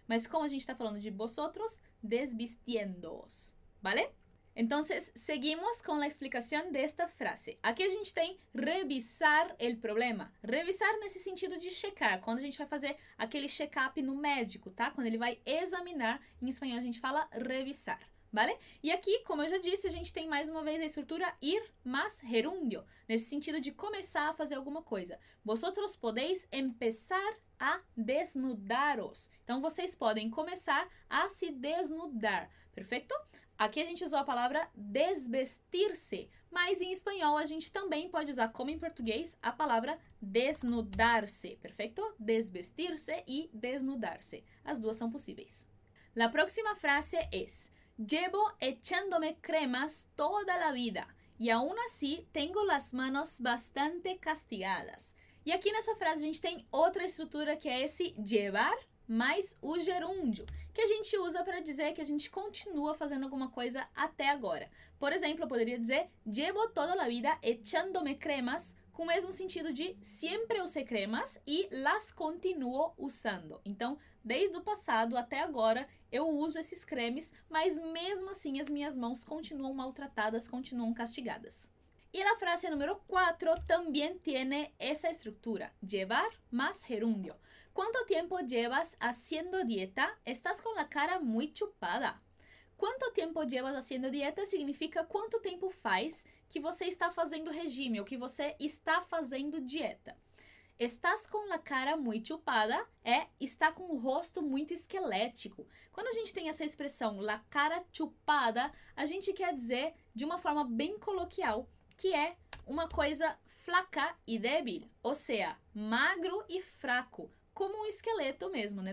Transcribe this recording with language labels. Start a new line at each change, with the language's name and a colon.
Portuguese: Mas como a gente está falando de vosotros, desvistiéndoos, vale? Então, seguimos com a explicação desta frase. Aqui a gente tem revisar el problema. Revisar nesse sentido de checar, quando a gente vai fazer aquele check-up no médico, tá? Quando ele vai examinar, em espanhol a gente fala revisar, vale? E aqui, como eu já disse, a gente tem mais uma vez a estrutura ir más gerundio, nesse sentido de começar a fazer alguma coisa.
Spanish: Vosotros podéis empezar a desnudaros.
Portuguese: Então, vocês podem começar a se desnudar, perfeito? Aqui a gente usou a palavra desvestir-se, mas em espanhol a gente também pode usar, como em português, a palavra desnudar-se, perfeito? Desvestir-se e desnudar-se. As duas são possíveis.
Spanish: La próxima frase es: llevo echándome cremas toda la vida y aún así tengo las manos bastante castigadas.
Portuguese: E aqui nessa frase a gente tem outra estrutura que é esse llevar mais o gerúndio, que a gente usa para dizer que a gente continua fazendo alguma coisa até agora. Por exemplo, eu poderia dizer
Spanish: llevo toda la vida echándome cremas,
Portuguese: com o mesmo sentido de
Spanish: siempre usé cremas y las continuo usando.
Portuguese: Então, desde o passado até agora, eu uso esses cremes, mas mesmo assim as minhas mãos continuam maltratadas, continuam castigadas.
Spanish: E la frase número 4 también tiene esa estructura, llevar más gerundio. ¿Cuánto tiempo llevas haciendo dieta? Estás con la cara muy chupada. ¿Cuánto tiempo llevas haciendo dieta?
Portuguese: Significa quanto tempo faz que você está fazendo regime ou que você está fazendo dieta.
Spanish: Estás com la cara muy chupada
Portuguese: é está com o rosto muito esquelético. Quando a gente tem essa expressão la cara chupada, a gente quer dizer de uma forma bem coloquial que é uma coisa flaca e débil, ou seja, magro e fraco, como um esqueleto mesmo, né?